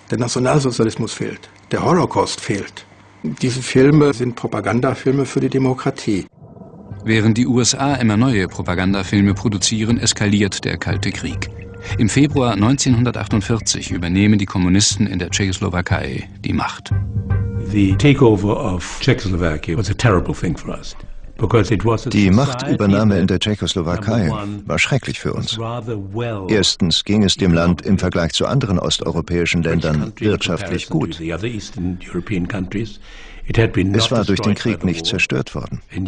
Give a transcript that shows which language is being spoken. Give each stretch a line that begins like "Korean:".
German: Der Nationalsozialismus fehlt. Der Holocaust fehlt. Diese Filme sind Propagandafilme für die Demokratie. Während die USA immer neue Propagandafilme produzieren, eskaliert der Kalte Krieg. Im Februar 1948 übernehmen die Kommunisten in der Tschechoslowakei die Macht.
English: The takeover of Czechoslovakia was a terrible thing for us.
German: Die Machtübernahme in der Tschechoslowakei war schrecklich für uns. Erstens ging es dem Land im Vergleich zu anderen osteuropäischen Ländern wirtschaftlich gut. Es war durch den Krieg nicht zerstört worden.